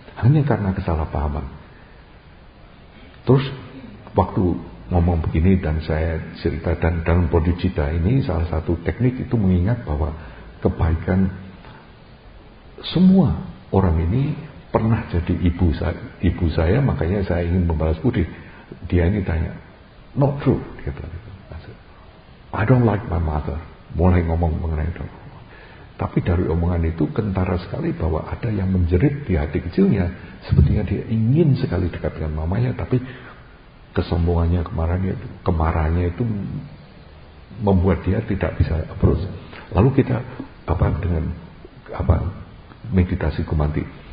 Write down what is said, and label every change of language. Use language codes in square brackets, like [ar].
[id] Hanya karena kesalahpahaman. Terus waktu ngomong begini dan saya cerita dan dalam bodhicitta ini salah satu teknik itu mengingat bahwa kebaikan semua orang ini pernah jadi ibu saya, makanya saya ingin membalas budi. Dia ini tanya, [en] not true. [id] Dia bilang, [en] I don't like my mother. [id] Mulai ngomong mengenai itu. Tapi dari omongan itu kentara sekali bahwa ada yang menjerit di hati kecilnya. Sepertinya dia ingin sekali dekat dengan mamanya, tapi kesombongannya kemarahannya itu membuat dia tidak bisa approach. Lalu kita apa dengan apa meditasi kumanti.